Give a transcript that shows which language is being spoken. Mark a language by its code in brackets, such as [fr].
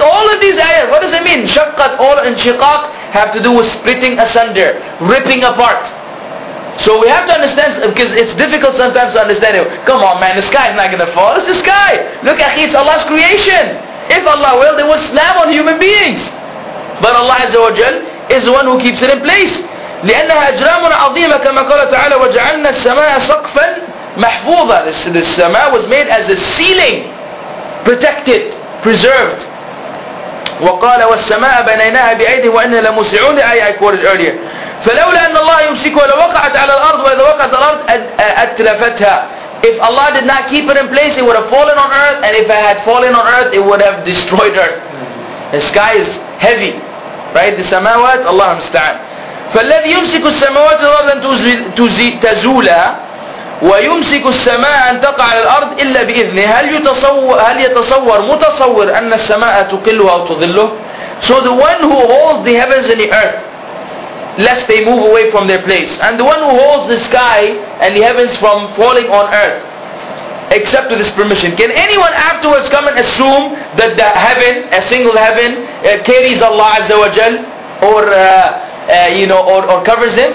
[en] All of these ayahs, what does it mean? شَقَّتْ, all انشِقَاق, have to do with splitting asunder, ripping apart. So we have to understand, because it's difficult sometimes to understand it. Come on man, the sky is not going to fall. It's the sky. Look, akhi, it's Allah's creation. If Allah willed, it would slam on human beings. But Allah Azza wa Jal is the one who keeps it in place. [ar] لأنها أجرام عظيمة كما قال تعالى وجعلنا السماء سقفا محفوظا. [en] The sky was made as a ceiling, protected, preserved. [ar] وقال والسماء بنيناها بأيدي وإنا لموسعون. [en] The ayah I quoted earlier. [ar] فلولا أن الله يمسكها لو وقعت على الأرض. وإذا وقعت على الأرض أتلفتها. [en] If Allah did not keep it in place, it would have fallen on earth. And if it had fallen on earth, it would have destroyed earth. The sky is heavy. Right? The samawat, Allah musta'an. [ar] فالذي يمسك السماوات والأرض أن تزولا ويمسك السماء أن تقع على الأرض إلا بإذنه. هل يتصور متصور أن السماء تقله أو تظله؟ [en] So the one who holds the heavens and the earth, lest they move away from their place, and the one who holds the sky and the heavens from falling on earth, except with this permission. Can anyone afterwards come and assume that the heaven, a single heaven, carries Allah Azza wa Jal, or covers him?